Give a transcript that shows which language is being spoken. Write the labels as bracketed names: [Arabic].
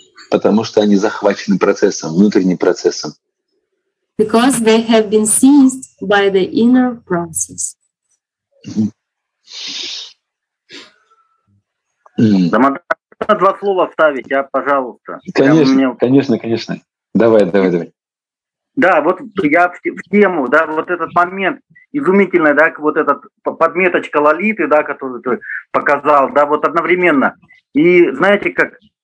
[Russian] Потому что они захвачены процессом, внутренним процессом. [English] Because they have been seized by the inner process. [Russian] Два слова вставить, пожалуйста. Конечно. Давай. Да, вот я в тему, да, вот этот момент изумительный, да, вот этот подметочка Лолиты, да, которую ты показал, да, вот одновременно. И знаете, как